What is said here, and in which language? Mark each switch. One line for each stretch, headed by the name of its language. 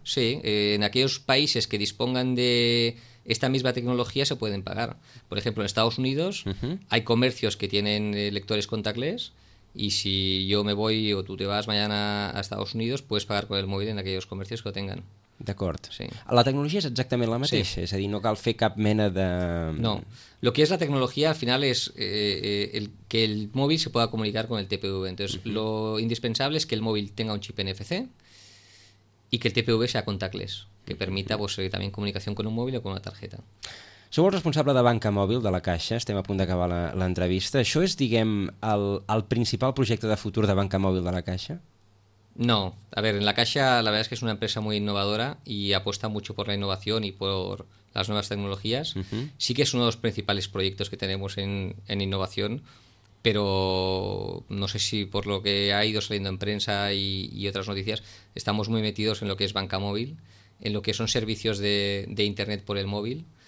Spanish: Sí, en aquellos países que dispongan de esta misma tecnología se pueden pagar. Por ejemplo, en Estados Unidos hay comercios que tienen lectores contactless y si yo me voy o tú te vas mañana a Estados Unidos, puedes pagar con el móvil en aquellos comercios que lo tengan.
Catalan: D'acord. Sí. La tecnologia és exactament la mateixa, sí. És a dir, no cal fer cap mena de...
Spanish: No, lo que es la tecnología al final es el que el móvil se pueda comunicar con el TPV. Entonces, uh-huh. lo indispensable es que el móvil tenga un chip NFC y que el TPV sea contactless, que permita pues, también comunicación con un móvil o con una tarjeta.
Catalan: Sou el responsable de banca mòbil de la Caixa, estem a punt d'acabar l'entrevista. Això és, diguem, el principal projecte de futur de banca mòbil de la Caixa?
Spanish: No, a ver, en la Caixa la verdad es que es una empresa muy innovadora y apuesta mucho por la innovación y por las nuevas tecnologías. Uh-huh. Sí que es uno de los principales proyectos que tenemos en innovación, pero no sé si por lo que ha ido saliendo en prensa y otras noticias, estamos muy metidos en lo que es banca móvil, en lo que son servicios de internet por el móvil.